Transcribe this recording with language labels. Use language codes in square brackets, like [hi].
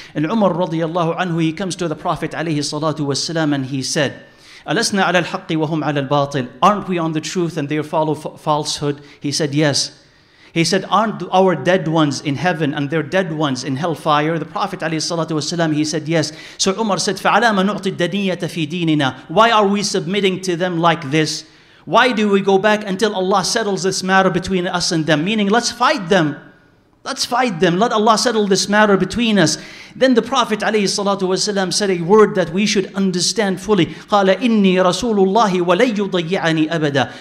[en] And Umar radiallahu anhu, he comes to the Prophet alayhi salatu wasalam and he said, [ar] أَلَسْنَا عَلَى الْحَقِّ وَهُمْ عَلَى الْبَاطِلِ. [en] Aren't we on the truth and they follow falsehood? He said, yes. He said, aren't our dead ones in heaven and their dead ones in hellfire? The Prophet alayhi salatu wasalam, he said, yes. So Umar said, [ar] فَعَلَامَ نُعْطِ الدَّنِيَّةَ فِي دِينِنَا. [en] Why are we submitting to them like this? Why do we go back until Allah settles this matter between us and them? Meaning, let's fight them. Let's fight them. Let Allah settle this matter between us. Then the Prophet alayhi salatu wasalam said a word that we should understand fully. [ar] قَالَ إِنِّي رَسُولُ اللَّهِ وَلَيْ يُضَيِّعَنِي أَبَدًا.